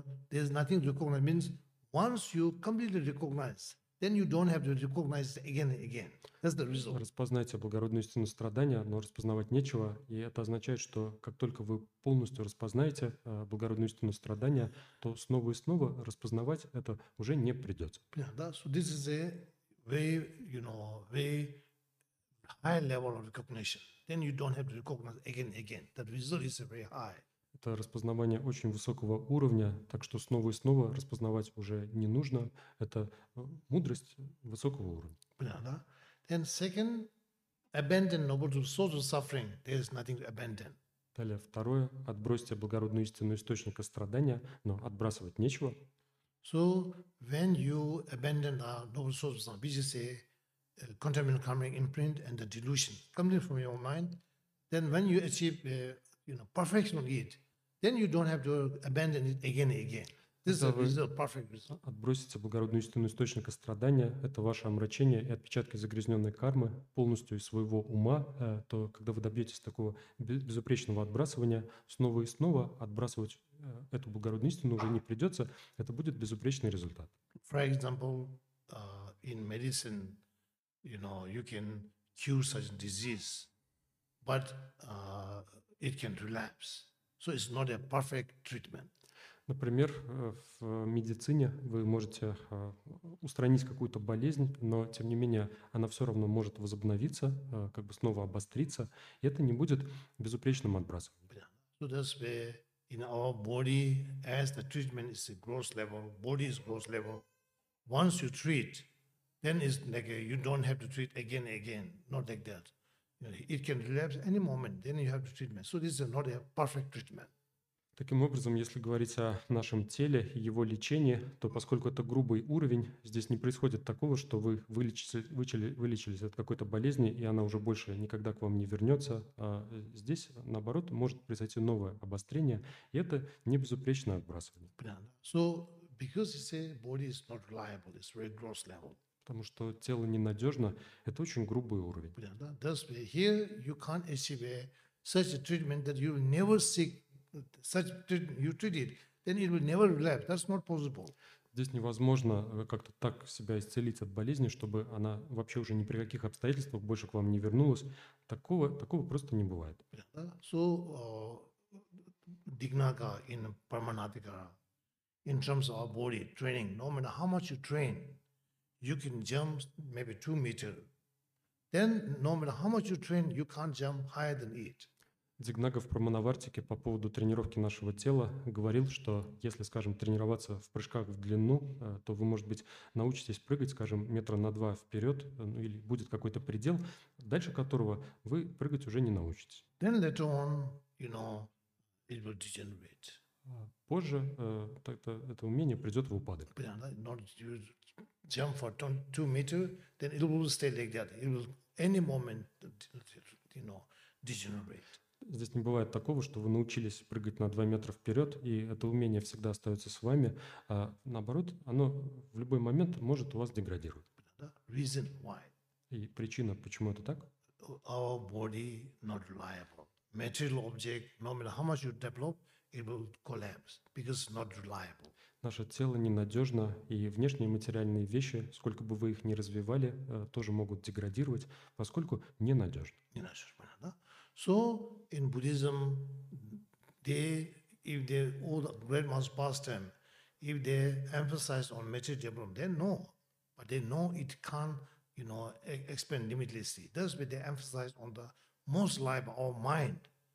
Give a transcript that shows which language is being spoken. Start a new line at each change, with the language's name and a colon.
English: There's nothing to recognize. Means once you completely recognize, then you don't have to recognize again and again. That's the result.
Russian: Распознайте благородную истину страдания, но распознавать нечего. И это означает, что как только вы полностью распознаете благородную истину страдания, то снова и снова распознавать это уже не придется.
English: Yeah, that, so this is a very, you know, very high level of recognition. Then you don't have to recognize again and again. That result is very high.
Russian: Это распознавание очень высокого уровня, так что снова и снова распознавать уже не нужно. Это мудрость высокого уровня. Понятно.
English: Then second, abandon noble truth source of suffering. There is nothing to abandon.
Russian: Далее второе, отбросьте благородную истину источника страдания, но отбрасывать нечего.
English: So when you abandon the noble source of suffering, which is a contaminant karmic imprint and the delusion coming from your mind, then when you achieve perfectional yet, then you don't have to abandon it again and again. This is a perfect result.
Russian: Отбросите благородную истину источника страдания, это ваше омрачение и отпечатки загрязненной кармы полностью из своего ума, то когда вы добьетесь такого безупречного отбрасывания, снова и снова отбрасывать эту благородную истину уже не придется, это будет безупречный результат.
English: For example, in medicine, you know, you can cure such disease, but it can relapse. So it's not a perfect treatment.
Russian: Например, в медицине вы можете устранить какую-то болезнь, но, тем не менее, она все равно может возобновиться, как бы снова обостриться, и это не будет безупречным отбрасом.
English: So that's where in our body, as the treatment is a gross level, body is gross level, once you treat, then it's like you don't have to treat again and again, not like that. It can relapse any moment, then you have to treatment. So this is not a perfect treatment.
Russian: Таким образом, если говорить о нашем теле и его лечении, то поскольку это грубый уровень, здесь не происходит такого, что вы вылечились от какой-то болезни, и она уже больше никогда к вам не вернется. А здесь, наоборот, может произойти новое обострение, и это не безупречное отбрасывание.
English: So, because you say body is not reliable, it's very gross level.
Russian: Потому что тело ненадежно, это очень грубый уровень.
English: Here you can't achieve such a treatment that you will never seek such you treat it, then it will never relapse. That's not possible.
Russian: Здесь невозможно как-то так себя исцелить от болезни, чтобы она вообще уже ни при каких обстоятельствах больше к вам не вернулась. Такого просто не бывает.
English: So Dignaga in Paramanathika, in terms of our body training, no matter how much you train, you can jump maybe 2 meters. Then, no matter how much you train, you can't jump higher than it.
Russian: Дзигнага в Праманавартике по поводу тренировки нашего тела говорил, что если, скажем, тренироваться в прыжках в длину, то вы, может быть, научитесь прыгать, скажем, метра на два вперед, ну, или будет какой-то предел, дальше которого вы прыгать уже не научитесь.
English: Then later on, you know, it will degenerate.
Russian: Позже это умение придет в упадок.
English: Yeah, not jump for 2 meters, then it will stay like that. It will any moment, you know, degenerate.
Russian: Здесь не бывает такого, что вы научились прыгать на 2 метра вперед, и это умение всегда остается с вами. А наоборот, оно в любой момент может у вас деградировать.
English: Reason why.
Russian: И причина, почему это так?
English: Our body not reliable. Material object, no matter how much you develop, it will collapse because not reliable.
Russian: Наше тело ненадежно, и внешние материальные вещи, сколько бы вы их ни развивали, тоже могут деградировать, поскольку ненадежно. Ненадежно, да?
English: So in Buddhism, if they emphasize on material development, they know, but they know it can't, you know, expand limitlessly. That's why they emphasize on the most life or mind.